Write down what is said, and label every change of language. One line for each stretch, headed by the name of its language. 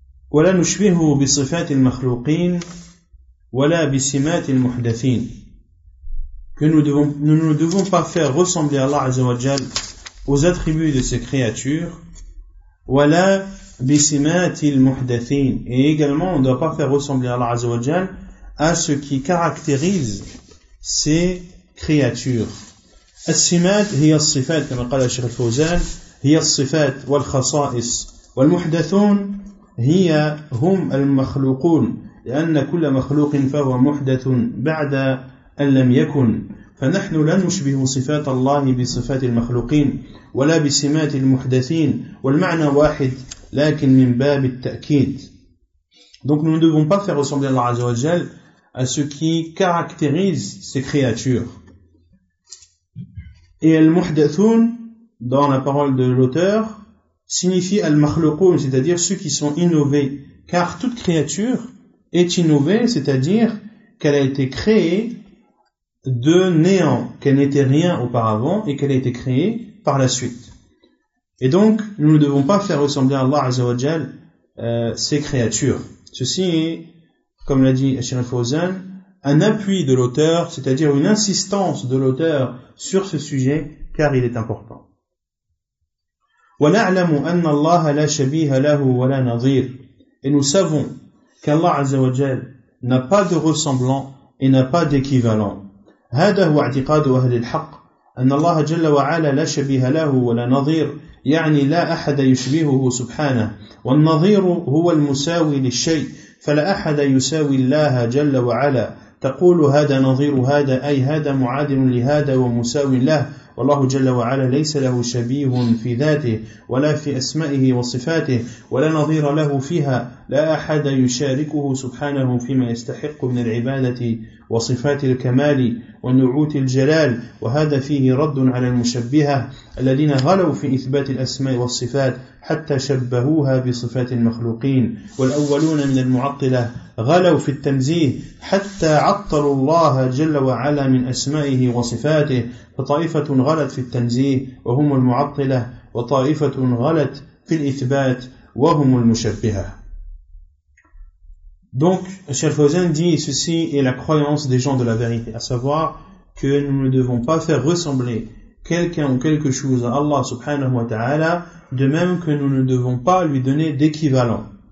Arabic: ولا نشبهه بصفات المخلوقين ولا بسمات المحدثين.
French: Que nous ne devons pas faire ressembler Allah Azza wa Jal aux attributs de ses créatures.
Arabic: ولا بسمات المحدثين.
French: Et également, on ne doit pas faire ressembler Allah Azza wa Jal à ce qui caractérise ces créatures.
Arabic: السمات هي الصفات كما قال الشيخ الفوزان هي الصفات والخصائص والمحدثون هي هم المخلوقون لأن كل مخلوق فهو محدث بعد أن لم يكن فنحن لا نشبه صفات الله بصفات المخلوقين ولا بسمات المحدثين والمعنى واحد لكن من باب التأكيد.
French: Donc nous ne devons pas faire ressembler Allah Azza wa Jal à ce qui caractérise ces créatures. Et المحدثون dans la parole de l'auteur signifie al-makhluqun, c'est-à-dire ceux qui sont innovés, car toute créature est innovée, c'est-à-dire qu'elle a été créée de néant, qu'elle n'était rien auparavant et qu'elle a été créée par la suite. Et donc, nous ne devons pas faire ressembler à Allah Azza wa Jal ces créatures. Ceci est, comme l'a dit Cheikh Fawzan, un appui de l'auteur, c'est-à-dire une insistance de l'auteur sur ce sujet, car il est important.
Arabic: ونعلم أن الله لا شبيه له ولا نظير.
French: Et nous savons qu'Allah Azza wa Jal n'a pas de ressemblant et n'a pas d'équivalent.
Arabic: هذا هو اعتقاد أهل الحق أن الله جل وعلا لا شبيه له ولا نظير يعني لا أحد يشبهه سبحانه والنظير هو المساوي للشيء فلا أحد يساوي الله جل وعلا تقول هذا نظير هذا أي هذا معادل لهذا ومساوي له والله جل وعلا ليس له شبيه في ذاته ولا في أسمائه وصفاته ولا نظير له فيها لا أحد يشاركه سبحانه فيما يستحق من العبادة وصفات الكمال ونعوت الجلال وهذا فيه رد على المشبهة الذين غلوا في إثبات الأسماء والصفات حتى شبهوها بصفات المخلوقين والأولون من المعطلة غلوا في التنزيه حتى عطلوا الله جل وعلا من أسمائه وصفاته فطائفة غلت في التنزيه وهم المعطلة وطائفة غلت في الإثبات وهم المشبهة.
French: Donc, Cheikh Fawzan dit, ceci est la croyance des gens de la vérité, à savoir que nous ne devons pas faire ressembler quelqu'un ou quelque chose à Allah subhanahu wa ta'ala, de même que nous ne devons pas lui donner d'équivalent.